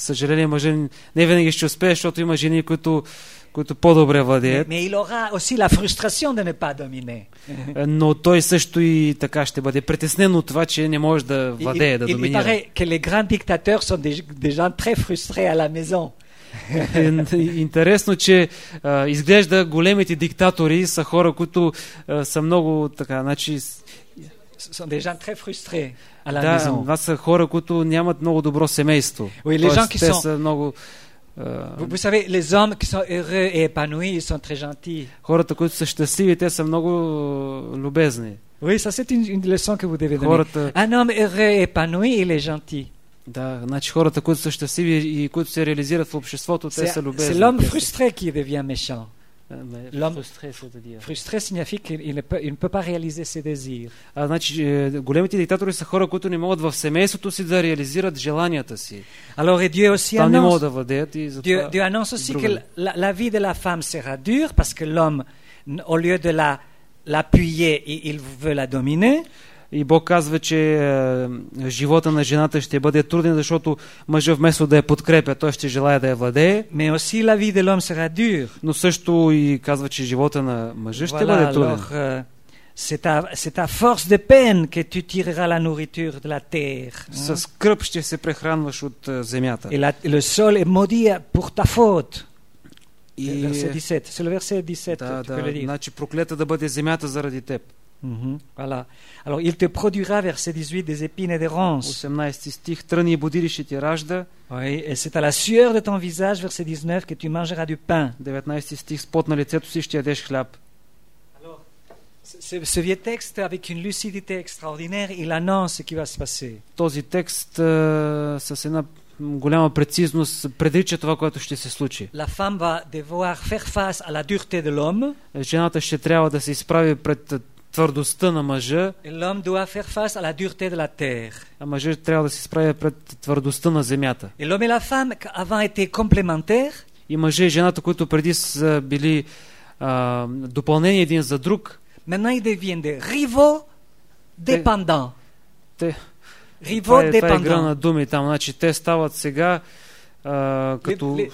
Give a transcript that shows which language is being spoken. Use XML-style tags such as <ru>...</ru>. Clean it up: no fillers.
<bg>съжаление, мъжа не винаги ще успее, защото има жени, които който по-добре владеят.</bg> <fr>Mais il aura aussi la frustration de ne pas dominer.</fr> <bg>Но той също и така ще бъде притеснен от това, че не може да владее, да доминира.</bg> <fr>Il paraît que les grands dictateurs sont des gens très frustrés à la maison.</fr> <bg>Интересно, че изглежда големите диктатори са хора, които са много така, значи</bg> <fr>sont des gens très frustrés à la</fr> <bg>да,</bg> <fr>maison.</fr> <bg>Да, са хора, които нямат много добро семейство.</bg> <fr>Oui, les gens qui</fr> <bg>те</bg> <fr>sont...</fr> <bg>са много</bg> <fr>Vous savez, les hommes qui sont heureux et épanouis, ils sont très gentils.</fr> <bg>Хората, които са щастливи, те са много любезни.</bg> <fr>Oui, ça c'est une leçon que vous devez donner. Un homme heureux et épanoui, il est gentil.</fr> <bg>Да, значи хората, които са щастливи и които се реализират в обществото, те са любезни.</bg> <fr>C'est l'homme frustré qui devient méchant. L'homme frustré, c'est-à-dire. Frustré signifie qu'il ne peut pas réaliser ses désirs.</fr> <bg>Значи, големите диктатори са хора, които не могат в семейството си да реализират желанията си.</bg> <fr>Alors, Dieu aussi annonce.</fr> <bg>Не могат да владеят и затова.</bg> <fr>Dieu annonce aussi que la vie de la femme sera dure parce que l'homme, au lieu de l'appuyer, il veut la dominer.</fr> <bg>И Бог казва, че живота на жената ще бъде труден, защото мъжът вместо да я подкрепя, той ще желая да я владее.</bg> <fr>Mais aussi la vie de l'homme sera dure.</fr> <bg>Но също и казва, че живота на мъжа ще</bg> <fr>voilà,</fr> <bg>бъде труден.</bg> <fr>Alors, c'est à force de peine que tu tireras la nourriture de la terre.</fr> <bg>С кръп ще се прехранваш от земята.</bg> <fr>Et le sol est maudit pour ta faute. И verset 17. C'est le verset 17,</fr> <bg>да,</bg> <fr>tu peux le dire.</fr> <bg>Значи проклета да бъде земята заради теб.</bg> <fr>Mm-hmm. Voilà. Alors, il te produira, verset 18, des épines et des ronces.</fr> <bg>18 стих, тръни и бодили ще ти ражда.</bg> <fr>Oui, et c'est à la sueur de ton visage, verset 19, que tu mangeras du pain.</fr> <bg>19 стих, с пот на лицето си ще ядеш хляб.</bg> <fr>Alors, ce vieux texte, avec une lucidité extraordinaire, il annonce ce qui va se passer.</fr> <bg>Този текст с една голяма прецизност предрича това, което ще се случи.</bg> <fr>La femme va devoir faire face à la dureté de l'homme.</fr> <bg>Жената ще трябва да се изправи пред твърдостта на мъжа.</bg> <fr>L'homme doit faire face à la dureté de la terre.</fr> <bg>А мъжът трябва да се справя пред твърдостта на земята.</bg> <fr>Et l'homme et la femme avant étaient complémentaires.</fr> <bg>И мъжът и жената, които преди са били допълнение един за друг,</bg> <fr>maintenant ils deviennent rivaux dépendants.</fr> <bg>Това е игра на думи там, значи те стават сега като</bg>